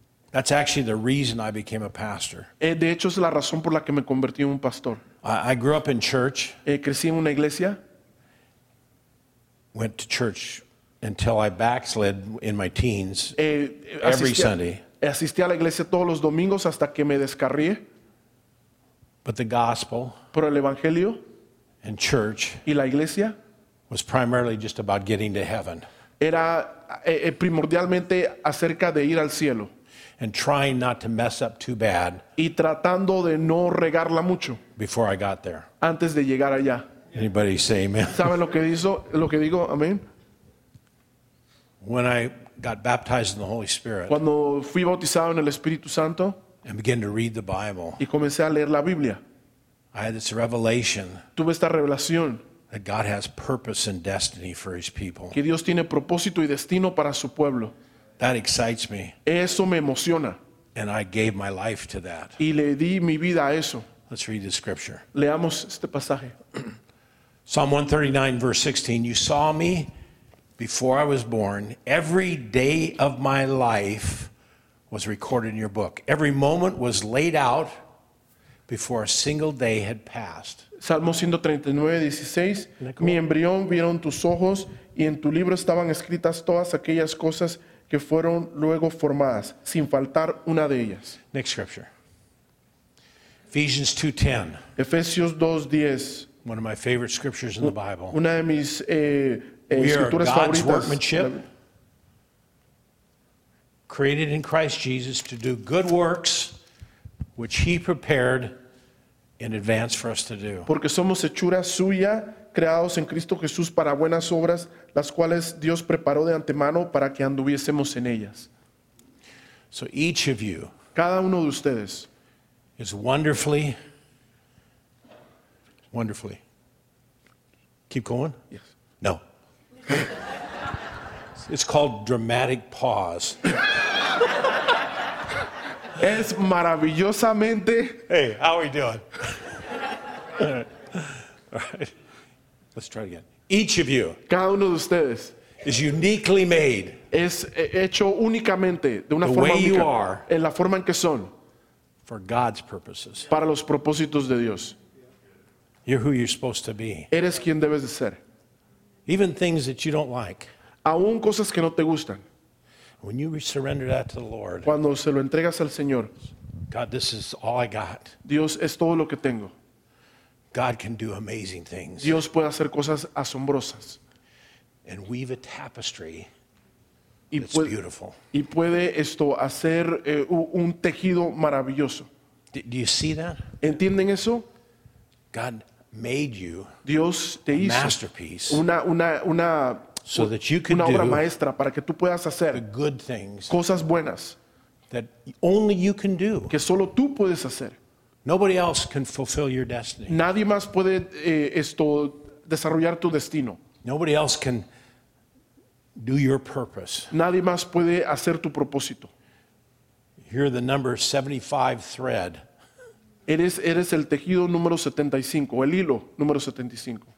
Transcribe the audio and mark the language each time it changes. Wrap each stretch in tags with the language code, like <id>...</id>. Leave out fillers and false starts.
<en>That's actually the reason I became a pastor.</en> <es>De hecho, es la razón por la que me convertí en un pastor.</es> <en>I grew up in church.</en> <es>Crecí en una iglesia.</es> <en>Went to church until I backslid in my teens. Every Sunday.</en> <es>Asistí a la iglesia todos los domingos hasta que me descarrié.</es> <en>But the gospel.</en> <es>Pero el evangelio.</es> <en>And church</en> <es>y la iglesia</es> <en>was primarily just about getting to heaven.</en> <es>Era primordialmente acerca de ir al cielo.</es> <en>And trying not to mess up too bad.</en> <es>Y tratando de no regarla mucho.</es> <en>Before I got there.</en> <es>Antes de llegar allá.</es> <en>Anybody say amen?</en> <es>¿Saben lo que digo? Amén.</es> <en>When I got baptized in the Holy Spirit.</en> <es>Cuando fui bautizado en el Espíritu Santo.</es> <en>And began to read the Bible.</en> <es>Y comencé a leer la Biblia.</es> <en>I had this revelation.</en> <es>Tuve esta revelación.</es> <en>That God has purpose and destiny for his people.</en> <es>Que Dios tiene propósito y destino para su pueblo.</es> <en>That excites me.</en> <es>Eso me emociona.</es> <en>And I gave my life to that.</en> <es>Y le di mi vida a eso.</es> <en>Let's read the scripture.</en> <es>Leamos este pasaje.</es> <en>Psalm 139 verse 16. You saw me before I was born. Every day of my life was recorded in your book. Every moment was laid out. Before a single day had passed.</en> <es>Salmo 139:16. Mi embrión vieron tus ojos y en tu libro estaban escritas todas aquellas cosas que fueron luego formadas, sin faltar una de ellas.</es> <en>Next scripture. Ephesians 2:10.</en> <es>Efesios 2:10.</es> <en>One of my favorite scriptures in the Bible.</en> <es>Una de mis escrituras favoritas.</es> <en>We are God's workmanship. Created in Christ Jesus to do good works. Which he prepared in advance for us to do.</en> <es>Porque somos hechura suya, creados en Cristo Jesús para buenas obras, las cuales Dios preparó de antemano para que anduviésemos en ellas.</es> <en>So each of you,</en> <es>cada uno de ustedes,</es> <en>is wonderfully. Keep going? Yes. No. It's called dramatic pause.</en> <es>Es maravillosamente.</es> <en>Hey, how are we doing? All right. Let's try it again. Each of you.</en> <es>Cada uno de ustedes.</es> <en>Is uniquely made.</en> <es>Es hecho únicamente de una</es> <en>the</en> <es>forma</es> <en>way</en> <es>única,</es> <en>you are.</en> <es>En la forma en que son.</es> <en>For God's purposes.</en> <es>Para los propósitos de Dios.</es> <en>You're who you're supposed to be.</en> <es>Eres quien debes de ser.</es> <en>Even things that you don't like.</en> <es>Aún cosas que no te gustan.</es> <en>When you surrender that to the Lord.</en> <es>Cuando se lo entregas al Señor.</es> <en>God, this is all I got.</en> <es>Dios es todo lo que tengo.</es> <en>God can do amazing things.</en> <es>Dios puede hacer cosas asombrosas.</es> <en>And weave a tapestry. It's beautiful.</en> <es>Y puede esto hacer un tejido maravilloso.</es> <en>Do you see that?</en> <es>¿Entienden eso?</es> <en>God made you.</en> <es>Dios te hizo</es> <en>masterpiece.</en> <es>Una</es> <en>so that you can</en> <es>una obra maestra para que tú puedas hacer</es> <en>good things,</en> <es>cosas buenas</es> <en>that only you can do.</en> <es>Que solo tú puedes hacer.</es> <en>Nobody else can fulfill your destiny.</en> <es>Nadie más puede esto desarrollar tu destino.</es> <en>Nobody else can do your purpose.</en> <es>Nadie más puede hacer tu propósito.</es> <en>You're the number 75 thread.</en> <es>Eres el tejido número 75, el hilo número 75.</es>